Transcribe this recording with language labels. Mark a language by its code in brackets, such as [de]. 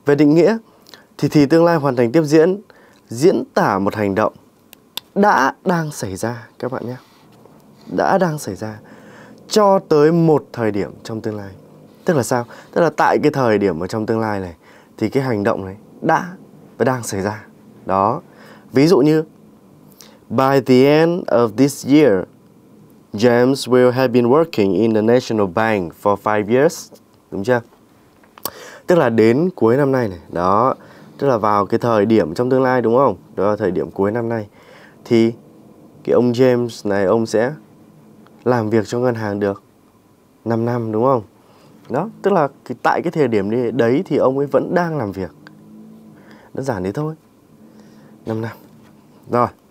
[vi] Về định nghĩa, thì tương lai hoàn thành tiếp diễn diễn tả một hành động đã đang xảy ra các bạn nhé. Đã đang xảy ra cho tới một thời điểm trong tương lai. Tức là sao? Tức là tại cái thời điểm ở trong tương lai này thì cái hành động này đã và đang xảy ra. Đó. Ví dụ như [en] by the end of this year, James will have been working in the National Bank for 5 years. [vi] Đúng chưa? Tức là đến cuối năm nay này. Đó. Tức là vào cái thời điểm trong tương lai đúng không? Đó là thời điểm cuối năm nay. Thì cái ông James này ông sẽ làm việc cho ngân hàng được 5 năm đúng không? Đó. Tức là tại cái thời điểm đấy thì ông ấy vẫn đang làm việc. Đơn giản thế thôi. 5 năm. Rồi.